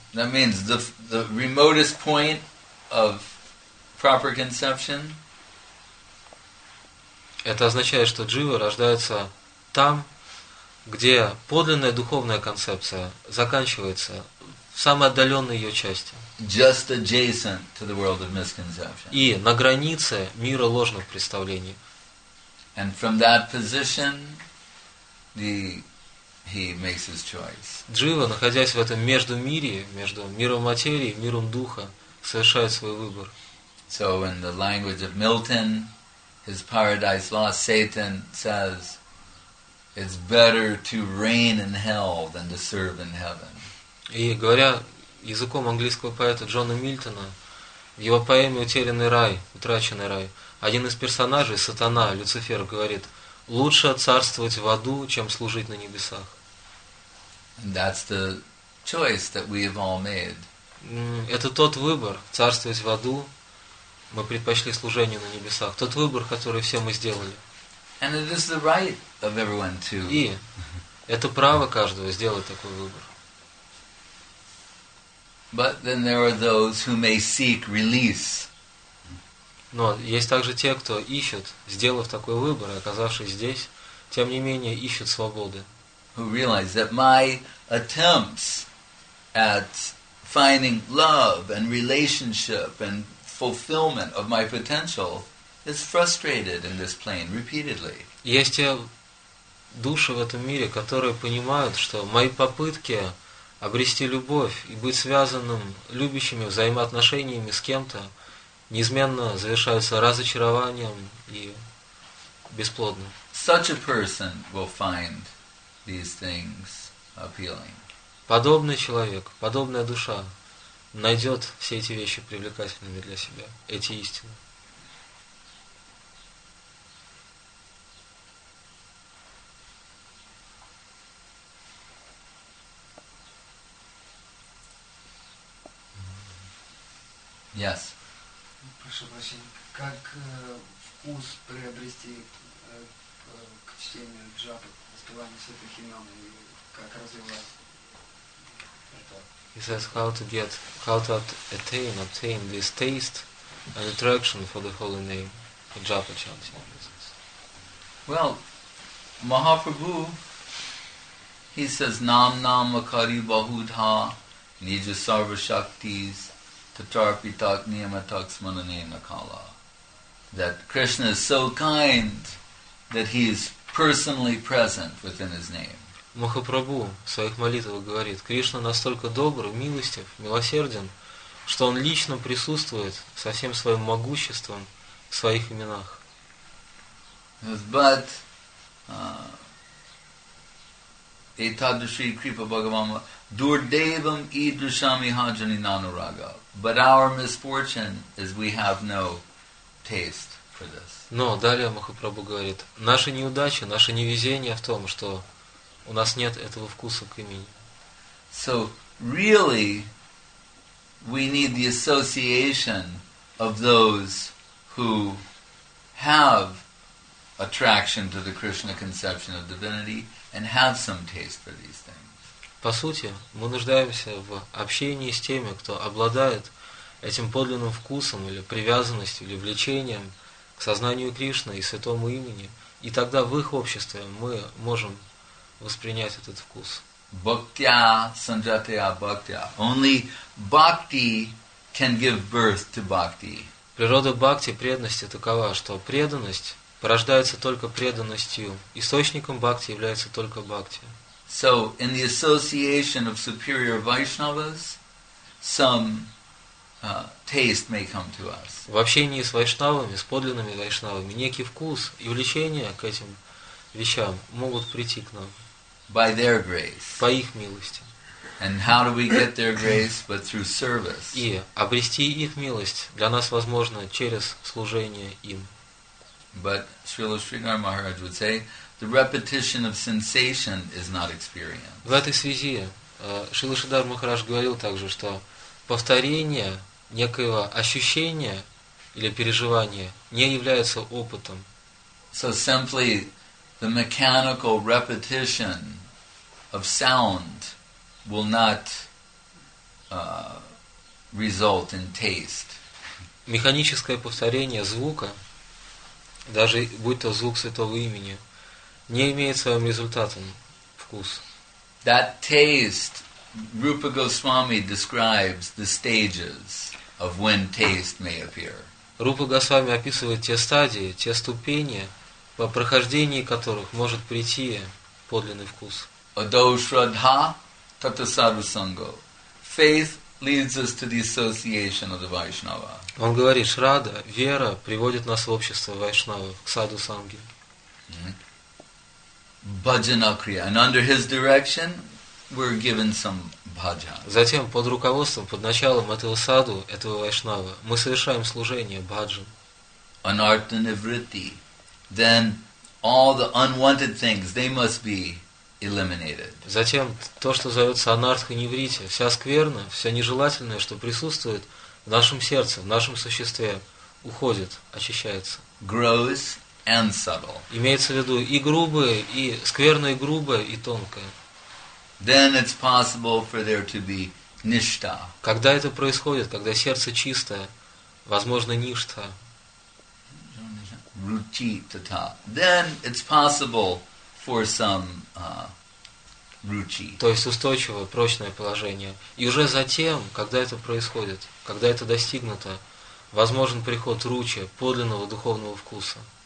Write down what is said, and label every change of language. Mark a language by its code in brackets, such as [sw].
[en] That means the remotest point of proper conception. [ru] Это означает, что джива рождается там, где подлинная духовная концепция заканчивается в самой отдаленной ее части. [en] Just adjacent to the world of misconception. [ru] И на границе мира ложных представлений. [en] And from that position, he makes his choice. [ru] Джива, находясь в этом междумире, между миром материи и миром духа, совершает свой выбор. [en] So in the language of Milton, his Paradise Lost, Satan says, it's better to reign in hell than to serve in heaven. [ru] И говоря языком английского поэта Джона Мильтона, в его поэме «Утерянный рай», «Утраченный рай», один из персонажей, сатана, Люцифер, говорит, лучше царствовать в аду, чем служить на небесах. [en] And that's the choice that we have all made. [ru] Это тот выбор, царствовать в аду, мы предпочли служению на небесах. Тот выбор, который все мы сделали. [en] And it is the right of everyone to. [ru] И это право каждого сделать такой выбор. [en] But then there are those who may seek release. [ru] Но есть также те, кто ищет, сделав такой выбор, оказавшись здесь, тем не менее ищет свободы. [en] Who realize that my attempts at finding love and relationship and fulfillment of my potential is frustrated in this plane repeatedly. [ru] Есть те души в этом мире, которые понимают, что мои попытки обрести любовь и быть связанным любящими взаимоотношениями с кем-то неизменно завершаются разочарованием и бесплодным. [en] Such a person will find these things appealing. [ru] Подобный человек, подобная душа найдет все эти вещи привлекательными для себя, эти истины. [en] Yes. [ru] Прошу прощения, как вкус приобрести к чтению джапы, воспеванию святых имен, и как развивать это? [en] He says how to obtain this taste and attraction for the holy name, the japa chanting. Well, Mahaprabhu, he says [sa] nam nam akari bahudha nija sarva shaktis tatarpitak niyamatak smanane nakala, [en] that Krishna is so kind that he is personally present within his name. [ru] Махапрабху в своих молитвах говорит, Кришна настолько добр, милостив, милосерден, что Он лично присутствует со всем своим могуществом в своих именах. [sa] But etadrishi kripa bhagavama durdevam idrishami hajani nanuraga. [en] But our misfortune is we have no taste for this. [ru] Но далее Махапрабху говорит, наша неудача, наше невезение в том, что у нас нет этого вкуса к имени. [en] So really we need the association of those who have attraction to the Krishna conception of divinity and have some taste for these things. [ru] По сути, мы нуждаемся в общении с теми, кто обладает этим подлинным вкусом или привязанностью или влечением к сознанию Кришны и святому имени, и тогда в их обществе мы можем воспринять этот вкус. [sa] Bhaktya sanjataya bhaktya. [en] Only bhakti can give birth to bhakti. [ru] Природа бхакти, преданности такова, что преданность порождается только преданностью. Источником бхакти является только бхакти. [en] So in the association of superior Vaishnavas, some taste may come to us. [ru] В общении с вайшнавами, с подлинными вайшнавами, некий вкус и влечение к этим вещам могут прийти к нам. [en] By their grace. [ru] По их милости. [en] And how do we get their grace but through service? [ru] И обрести их милость для нас возможно через служение им. [en] But Srila Sridhar Maharaj would say the repetition of sensation is not experience. [ru] В этой связи Шрила Шридхар Махарадж говорил также, что повторение некоего ощущения или переживания не является опытом. [en] So simply the mechanical repetition of sound will not result in taste. [ru] Механическое повторение звука, даже будь то звук святого имени, не имеет своим результатом вкус. [en] That taste, Rupa Goswami describes the stages of when taste may appear. [ru] Rupa Goswami описывает те стадии, те ступени, по прохождении которых может прийти подлинный вкус. [sa] Adoshraddha tatasarvasango. [en] Faith leads us to the association of the Vaishnava. [ru] Он говорит, Шрада, вера, приводит нас в общество Вайшнава, к саду санги. [sa] Bhajana kriya. [en] And under his direction, we're given some bhajan. [ru] Затем под руководством, под началом этого саду, этого Вайшнава, мы совершаем служение бхаджан. [sa] Anartha nivritti. [en] Then all the unwanted things, they must be eliminated. [ru] Затем то, что зовется анартха нивритти, вся скверна, все нежелательное, что присутствует в нашем сердце, в нашем существе, уходит, очищается. [en] Grows and subtle. [ru] Имеется в виду и грубое, и скверное, и грубое, и тонкое. [en] Then it's possible for there to be ништа. [ru] Когда это происходит, когда сердце чистое, возможно ништа. [sa] Ручи тата. [en] Then it's possible for some ручи. [ru] То есть устойчивое, прочное положение. И уже затем, когда это происходит, когда это достигнуто, возможен приход ручи, подлинного духовного вкуса.